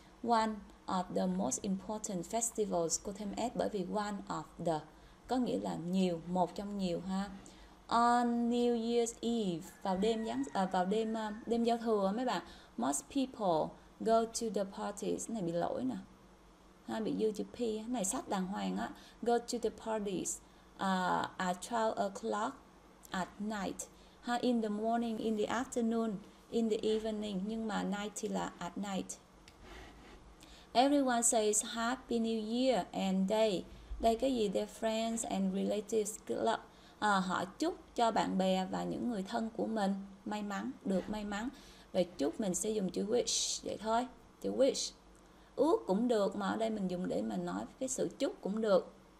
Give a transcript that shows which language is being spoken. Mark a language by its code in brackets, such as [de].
[en] One of the most important festivals, [vi] cô thêm S bởi vì [en] one of the [vi] có nghĩa là nhiều, một trong nhiều ha. [en] On New Year's Eve, [vi] vào đêm giáng vào đêm đêm giao thừa mấy bạn. [en] Most people go to the parties, [vi] này bị lỗi nè. Ha, bị dư chữ P, này sách đàng hoàng á. [en] Go to the parties at 12 o'clock at night. Ha, in the morning, in the afternoon, in the evening. [vi] Nhưng mà [en] night [vi] thì là [en] at night. Everyone says Happy New Year and they. [vi] Đây cái gì? [en] Their friends and relatives. [vi] Họ chúc cho bạn bè và những người thân của mình may mắn, được may mắn. Vậy chúc mình sẽ dùng chữ wish vậy thôi. Chữ wish. Ước cũng được, mà ở đây mình dùng để mình nói cái sự chúc cũng được.